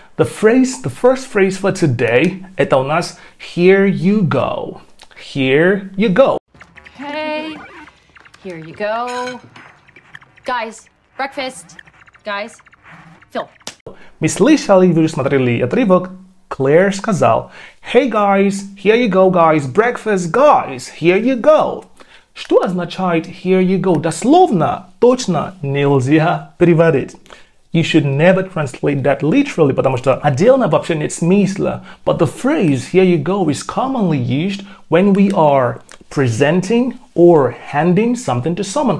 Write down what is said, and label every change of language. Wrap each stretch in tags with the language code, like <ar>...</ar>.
<en>The phrase, the first phrase for today,</en> <ru>это у нас</ru> <en>here you go. Here you go. Hey, here you go. Guys, breakfast. Guys, Phil.</en> <ru>Мы слышали, вы уже смотрели отрывок.</ru> <en>Claire</en> <ru>сказал,</ru> <en>hey guys, here you go guys, breakfast guys, here you go.</en> <ru>Что означает</ru> <en>here you go?</en> <ru>Дословно, точно нельзя переводить.</ru> <en>You should never translate that literally,</en> <ru>потому что отдельно вообще нет смысла.</ru> <en>But the phrase here you go is commonly used when we are presenting or handing something to someone.</en>